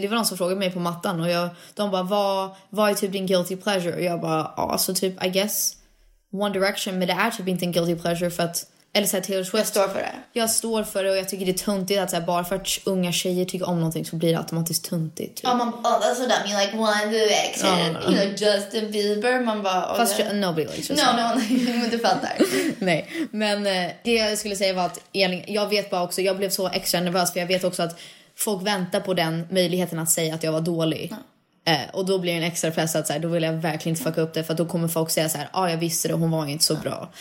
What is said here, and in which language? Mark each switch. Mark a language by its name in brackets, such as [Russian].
[Swedish] Det var någon som frågade mig på mattan. Och de bara, vad är typ din guilty pleasure? Och jag bara, så typ, [English] I guess, [Swedish] One Direction. Men det är typ inte en guilty pleasure för att... Eller så här, Taylor Swift. Jag står för det. Jag står för det och jag tycker det är tuntigt att så här, bara för att unga tjejer tycker om någonting så blir det automatiskt tuntigt. Ja, man bara, [English] that's what I mean, like One Direction. You know, Justin Bieber. [Swedish] Man bara, [English] fast nobody likes [Swedish] Justin. No, men du fattar. Nej, men det jag skulle säga var att Elin, jag vet bara också, jag blev så extra nervös för jag vet också att folk väntar på den möjligheten att säga att jag var dålig. Ja. Och då blir det en extra press att så här, då vill jag verkligen inte fucka upp det. För att då kommer folk säga så här, jag visste det, hon var inte så bra.